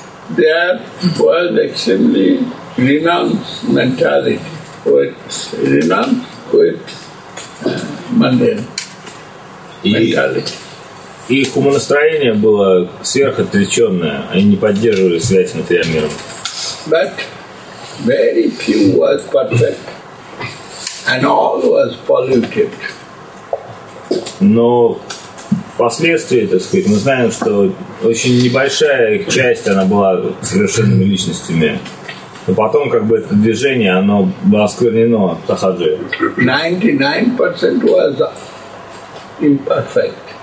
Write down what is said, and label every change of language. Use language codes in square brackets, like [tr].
[en] They were extremely renounced mentality, mundane mentality. [ru] Их умонастроение было сверхотреченное, они не поддерживали связь с материальным миром. [en] But very few was perfect, and all was polluted. [ru] Но впоследствии, так сказать, мы знаем, что очень небольшая их часть, она была совершенными личностями. Но потом, как бы, это движение, оно было осквернено тахаджи. [en] 99% was imperfect.